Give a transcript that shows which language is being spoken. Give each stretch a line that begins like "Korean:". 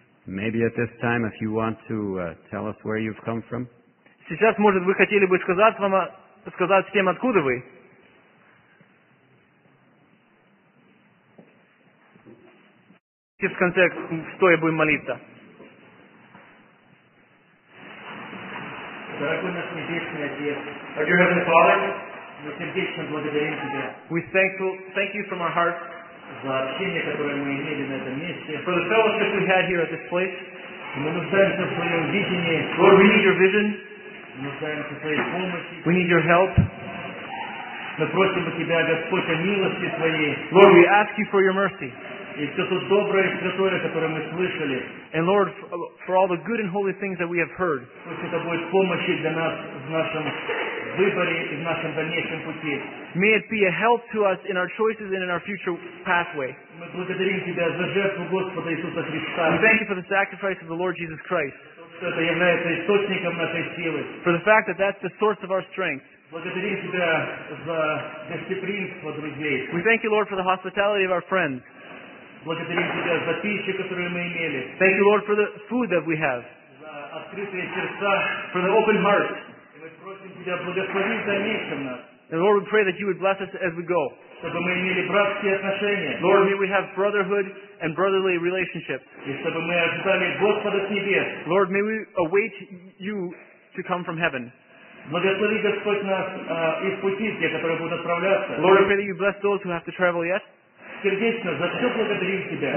English: Maybe at this time, if you want to tell us where you've come from.
Russian: Сейчас, может, вы хотели бы сказать всем, откуда вы? В конце, стоя, будем молиться. Дорогой наш Небесный Отец,
English: our Dear Heavenly Father,
Russian: мы сердечно благодарим Тебя.
English: We thank You from our hearts
Russian: за общение, которое мы имели на этом месте.
English: For the fellowship we had here at this place.
Russian: Мы нуждаемся в Твоем видении.
English: Lord, we need Your vision.
Russian: Мы нуждаемся в Твоей помощи.
English: We need Your help.
Russian: Мы просим у Тебя, Господь, о милости Твоей.
English: Lord, we ask You for Your mercy.
Russian: И все то доброе и святое, которое мы слышали.
English: And Lord, for all the good and holy things that we have heard.
Russian: Пусть это будет помощи для нас в нашем выборе и в нашем дальнейшем пути.
English: May it be a help to us in our choices and in our future pathway.
Russian: Мы благодарим Тебя за жертву Господа Иисуса Христа.
English: We thank You for the sacrifice of the Lord Jesus Christ.
Russian: Что это является источником нашей силы.
English: For the fact that that's the source of our strength.
Russian: Благодарим Тебя за гостеприимство друзей.
English: We thank You, Lord, for the hospitality of our friends.
Russian: Благодарим Тебя за пищу, которую мы имели.
English: Thank You, Lord, for the food that we have.
Russian: За открытые сердца.
English: For the open heart.
Russian: И мы просим Тебя благословить дальнейшем нас.
English: And Lord, we pray that You would bless us as we go.
Russian: Чтобы мы имели братские отношения.
English: Lord, may we have brotherhood and brotherly relationships.
Russian: И чтобы мы ожидали Господа с небес.
English: Lord, may we await You to come from heaven.
Russian: Благослови Господь нас из пути, где которые будут отправляться.
English: Lord, we pray that You bless those who have to travel yet.
Russian: Сердечно за все благодарим Тебя.